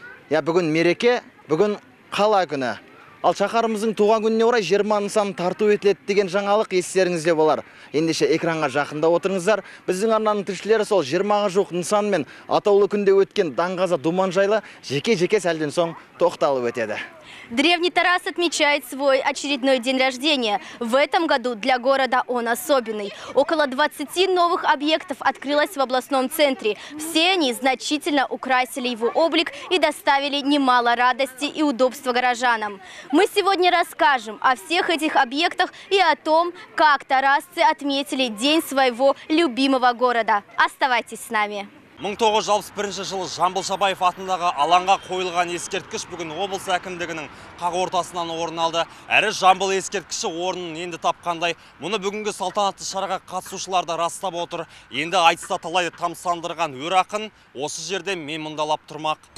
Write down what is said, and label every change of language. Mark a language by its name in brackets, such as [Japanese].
[Kazakh] Я бүгін мереке, бүгін қала күні. Ал шахарымыздың туған күніне орай 20 нысан тарту етіледі деген жаңалық естеріңізде болар. Ендеше экранға жақында отырыңыздар. Біздің арнаның тілшілері сол 20-ға жуық нысан мен атаулы күнде өткен даңғаза думан жайлы жеке-жеке сәлден соң тоқталып өтеді. [Russian] Древний Тарас отмечает свой очередной день рождения. В этом году для города он особенный. Около 20 новых объектов открылось в областном центре. Все они значительно украсили его облик и доставили немало радости и удобства горожанам. Мы сегодня расскажем о всех этих объектах и о том, как тарасцы отметили день своего любимого города. Оставайтесь с нами. [Kazakh] 1961 жылы Жамбыл Шабаев атындағы алаңға қойылған ескерткіш бүгін облыс әкімдігінің қақ ортасынан орын алды. Әрі Жамбыл ескерткіші орнын енді тапқандай, мұны бүгінгі салтанатты шараға қатысушылар да растап отыр. Енді айтыста талай тамсандырған өр ақын осы жерде мемындалап тұрмақ.